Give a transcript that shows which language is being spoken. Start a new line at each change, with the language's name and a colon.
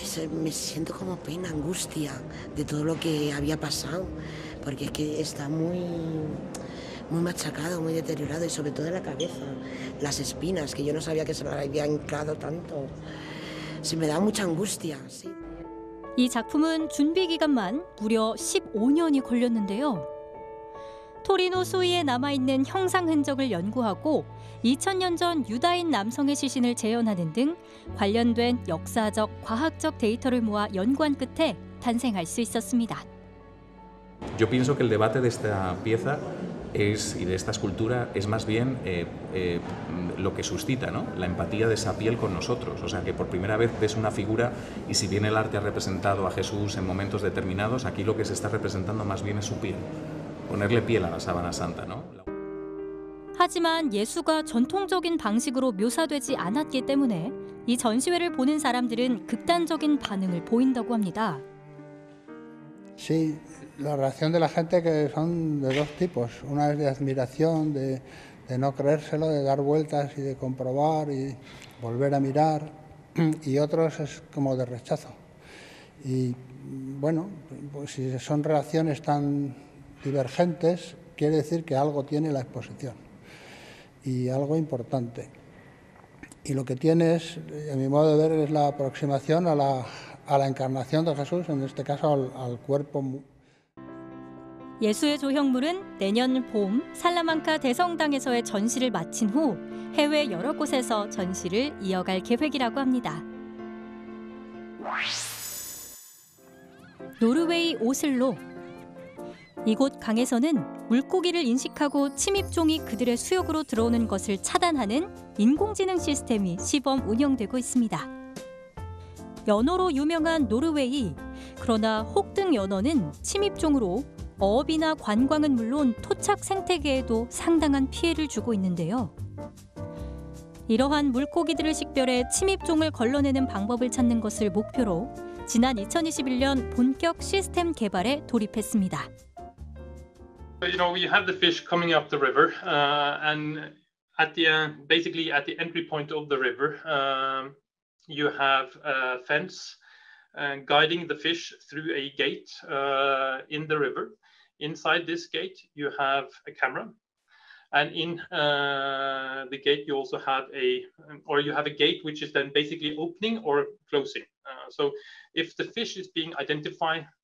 Spanish: Me siento como pena, angustia de todo lo que había pasado, porque es que está muy machacado, muy deteriorado y sobre todo en la cabeza, las espinas que yo no sabía que se las había hincado tanto. Se me da mucha angustia, sí.
Korean: 이 작품은 준비 기간만 무려 15년이 걸렸는데요. 토리노 수위에 남아있는 형상 흔적을 연구하고 2000년 전 유다인 남성의 시신을 재현하는 등 관련된 역사적, 과학적 데이터를 모아 연구한 끝에 탄생할 수 있었습니다.
Spanish: Yo pienso que el debate de esta pieza es y de esta escultura es más bien lo que suscita, ¿no? La empatía de esa piel con nosotros. O sea, que por primera vez ves una figura y si bien el arte ha representado a Jesús en momentos determinados, aquí lo que se está representando más bien es su piel. Ponerle piel a la sábana santa, ¿no?
Korean: 하지만 예수가 전통적인 방식으로 묘사되지 않았기 때문에 이 전시회를 보는 사람들은 극단적인 반응을 보인다고 합니다.
Spanish: Sí. La reacción de la gente que son de dos tipos, una es de admiración, de no creérselo, de dar vueltas y de comprobar y volver a mirar, y otros es como de rechazo. Y bueno, pues si son reacciones tan divergentes, quiere decir que algo tiene la exposición y algo importante. Y lo que tiene es, a mi modo de ver, es la aproximación a la encarnación de Jesús, en este caso al cuerpo.
Korean: 예수의 조형물은 내년 봄 살라만카 대성당에서의 전시를 마친 후 해외 여러 곳에서 전시를 이어갈 계획이라고 합니다. 노르웨이 오슬로. 이곳 강에서는 물고기를 인식하고 침입종이 그들의 수역으로 들어오는 것을 차단하는 인공지능 시스템이 시범 운영되고 있습니다. 연어로 유명한 노르웨이. 그러나 혹 등 연어는 침입종으로 어업이나 관광은 물론 토착 생태계에도 상당한 피해를 주고 있는데요. 이러한 물고기들을 식별해 침입종을 걸러내는 방법을 찾는 것을 목표로 지난 2021년 본격 시스템 개발에 돌입했습니다.
English: You know, we have the fish coming up the river, and at the basically at the entry point of the river, you have a fence guiding the fish through a gate in the river. Inside this gate, you have a camera, and in the gate, you also have a gate, which is then basically opening or closing. So if the fish is being identified